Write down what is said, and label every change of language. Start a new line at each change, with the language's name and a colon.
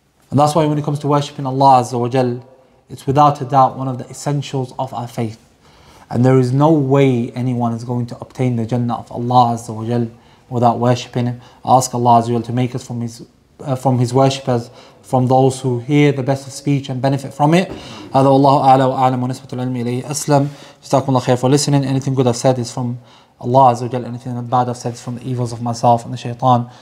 English: And that's why when it comes to worshipping Allah Azza wa Jal, it's without a doubt one of the essentials of our faith. And there is no way anyone is going to obtain the Jannah of Allah Azza wa Jal without worshipping Him. I ask Allah Azza wa Jal to make us from His worshippers, from those who hear the best of speech and benefit from it.
Arabic: هذا والله أعلى وأعلم ونسبة العلم إليه أسلم. جزاكم الله خير
English: for listening. Anything good I've said is from Allah Azza wa Jal. Anything bad I've said is from the evils of myself and the shaytan.